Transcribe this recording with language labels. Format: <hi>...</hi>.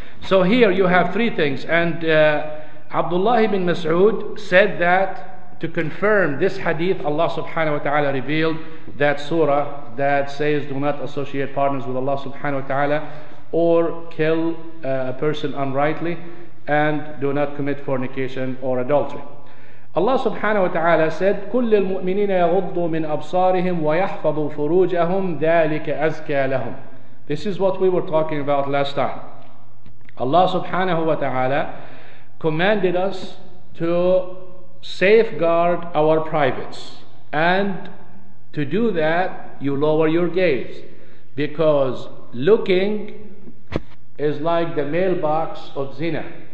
<en>So here you have three things. And Abdullah ibn Mas'ud said that to confirm this hadith, Allah subhanahu wa ta'ala revealed that surah that says, do not associate partners with Allah subhanahu wa ta'ala or kill a person unrightly, and do not commit fornication or adultery. Allah subhanahu wa ta'ala said,</en> <ar>كُلِّ الْمُؤْمِنِينَ يَغُضُّوا مِنْ أَبْصَارِهِمْ وَيَحْفَظُوا فُرُوجَهُمْ ذَلِكَ أَزْكَى لَهُمْ.</ar> <en>This is what we were talking about last time. Allah subhanahu wa ta'ala commanded us to safeguard our privates, and to do that you lower your gaze, because looking is like the mailbox of zina.</en>